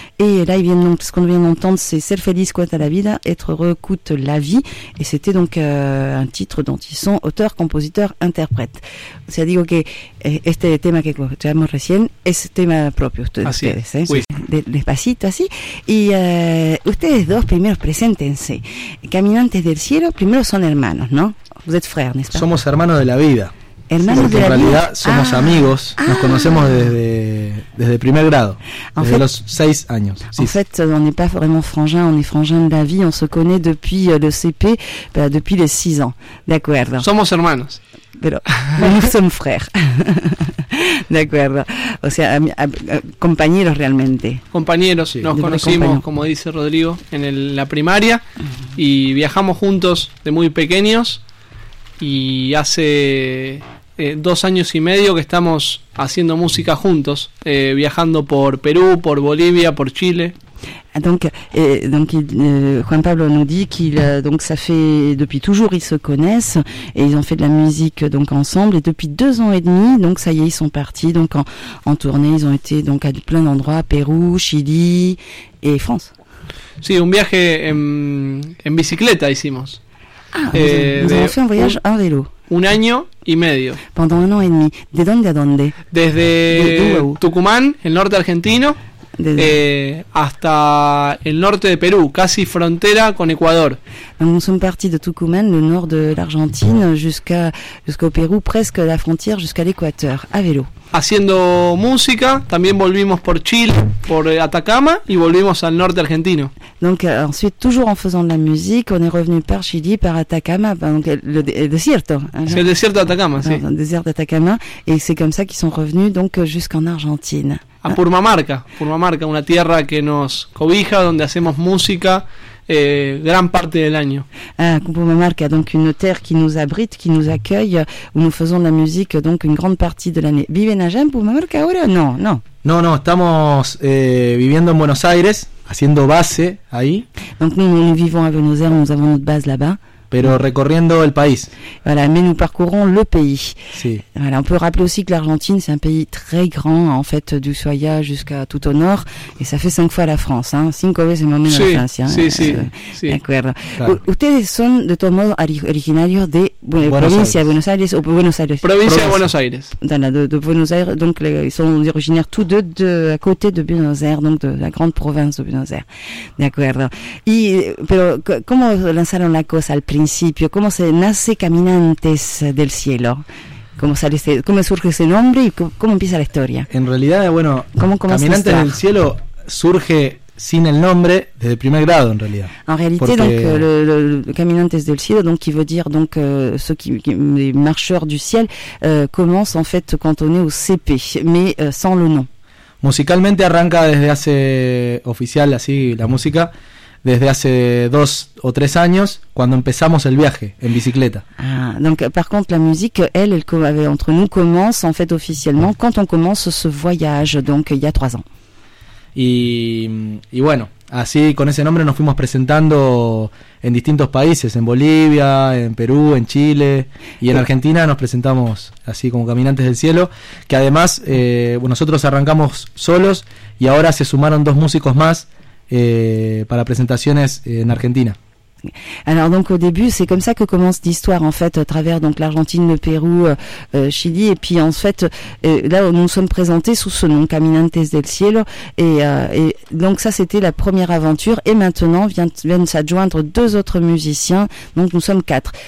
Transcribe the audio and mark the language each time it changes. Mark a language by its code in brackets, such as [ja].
[fr] Et là, ils viennent donc, ce qu'on vient d'entendre, c'est Ser feliz cuesta la vida, être heureux coûte la vie. Et c'était donc un titre dont ils sont auteurs, compositeurs, interprètes. C'est-à-dire, ok, [es] este tema que escuchamos recién, es tema propio de ustedes. Así. Despacito, así. Y ustedes dos, primero, preséntense. Caminantes del Cielo, primero son hermanos, ¿no? [fr] Vous êtes frères, n'est-ce pas? [es] Somos hermanos de la vida. Hermanos de la vida. En realidad somos amigos, nos conocemos desde primer grado, en desde fait, los 6 años. [fr] En fait, on n'est pas vraiment frangins, on est frangins de la vie, on se connaît depuis le CP, bah, depuis les 6 ans. D'accord. [es] Somos hermanos. Pero, [fr] nous sommes frères. D'accord. [es] O sea, compañeros realmente. Compañeros, sí. Nos conocimos, como dice Rodrigo, en la primaria y viajamos juntos de muy pequeños. Y hace 2 años y medio que estamos haciendo música juntos, viajando por Perú, por Bolivia, por Chile. [fr] Juan Pablo nous dit qu'il donc ça fait depuis toujours ils se connaissent et ils ont fait de la musique donc ensemble et depuis 2 ans et demi donc ça y est ils sont partis donc en tournée, ils ont été donc à plein d'endroits, Pérou, Chili et France. [es] Sí, un viaje en bicicleta hicimos. [fr] Ah, nous avons fait un voyage en vélo. [es] Un año y medio. [fr] Pendant 1 an et demi. [es] De dónde a dónde? Desde Tucumán, el norte argentino. Hasta el norte de Perú, casi frontera con Ecuador. [fr] Nous sommes partis de Tucumán, le nord de l'Argentine, jusqu'au Pérou, presque la frontière jusqu'à l'Équateur, à vélo. [es] Haciendo música, también volvimos por Chile, por Atacama, y volvimos al norte argentino. [fr] Donc ensuite, toujours en faisant de la musique, on est revenu par Chili, par Atacama, donc le desierto. C'est le desierto de Atacama, sí. Le désert d'Atacama, et c'est comme ça qu'ils sont revenus donc jusqu'en Argentine. [es] A Purmamarca, una tierra que nos cobija, donde hacemos música gran parte del año. [fr] Ah, Purmamarca, donc une terre qui nous abrite, qui nous accueille, où nous faisons de la musique donc une grande partie de l'année. [es] ¿Viven allá en Purmamarca ahora o no? No, no, no, estamos viviendo en Buenos Aires, haciendo base ahí. [fr] Donc nous vivons à Buenos Aires, nous avons notre base là-bas. [es] pero recorriendo el país. [fr] Voilà, mais nous parcourons le pays. [es] Sí. [fr] Voilà, on peut rappeler aussi que l'Argentine, c'est un pays très grand, en fait, du Ushuaia jusqu'à tout au nord, et ça fait 5 fois la France, hein. [es] 5 veces más o menos sí, la Francia. Sí, sí. D'accuerdo. Claro. Ustedes son, de todo modo, originarios de provincia de Buenos Aires, o Buenos Aires. Provincia de Buenos Aires. [fr] De Buenos Aires, donc ils sont originaires tous deux de, à côté de Buenos Aires, donc de la grande province de Buenos Aires. D'accuerdo. [es] Y, pero, ¿cómo lanzaron la cosa al principio? ¿Cómo se nace Caminantes del Cielo? ¿Cómo sale este, cómo surge ese nombre y cómo empieza la historia? En realidad, bueno, ¿cómo Caminantes del Cielo surge sin el nombre desde el primer grado, en realidad. En realidad, porque... [fr] donc, Caminantes del Cielo, donc, qui veut dire, donc, ceux qui, les marcheurs du ciel, commence en fait quand on est au CP, mais sans le nom. [es] Musicalmente arranca desde hace oficial, así, la música, desde hace 2 o 3 años, cuando empezamos el viaje en bicicleta. [fr] Ah, donc, par contre, la musique, elle entre nous, commence en fait officiellement quand on commence ce voyage, donc il y a 3 ans. [es] Y bueno, así con ese nombre nos fuimos presentando en distintos países, en Bolivia, en Perú, en Chile y en Argentina nos presentamos así como Caminantes del Cielo, que además nosotros arrancamos solos y ahora se sumaron 2 músicos más para presentaciones en Argentina. [fr] Alors donc au début c'est comme ça que commence l'histoire en fait à travers donc l'Argentine, le Pérou, Chili et puis en fait là où nous sommes présentés sous ce nom Caminantes del Cielo et donc ça c'était la première aventure et maintenant viennent s'adjoindre 2 autres musiciens donc nous sommes 4.